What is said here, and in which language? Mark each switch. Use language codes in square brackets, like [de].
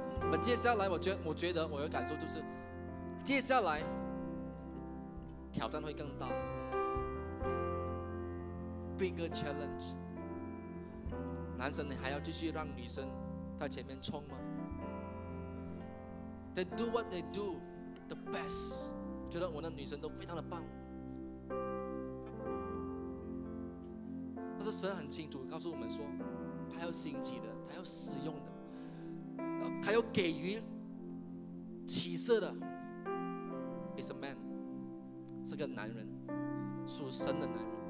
[zh] 那接下来我觉得我有感受，就是接下来挑战会更大 ， [en] bigger challenge。 [zh] 男生，你还要继续让女生在前面冲吗？ [en] They do what they do, the best. [zh] 觉得我的女生都非常的棒。但是神很清楚告诉我们说，他要兴起的，他要使用的，他要给予启示的 ， [en] is a man， [zh] 是个男人，属神的男人。